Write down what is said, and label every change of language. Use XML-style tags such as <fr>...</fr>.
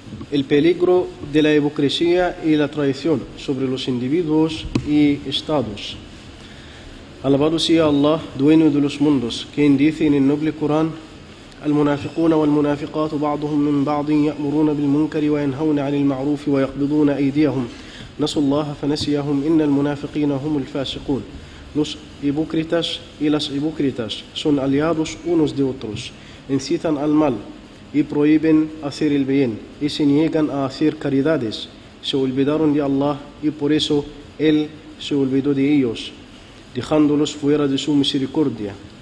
<es>el peligro de la hipocresía y la traición sobre los individuos y estados. Alabado sea Allah, dueño de los mundos, quien dice en el noble Corán:</es> <ar>المنافقون والمنافقات بعضهم من بعض يأمرون بالمنكر وينهون عن المعروف ويقبضون أيديهم نسوا الله فنسيهم إن المنافقين هم الفاسقون.</ar> <es>Los hipócritas y las hipócritas son aliados unos de otros, incitan al mal y prohíben hacer el bien y se niegan a hacer caridades. Se olvidaron de Allah y por eso Él se olvidó de ellos, dejándolos fuera de su misericordia.</es>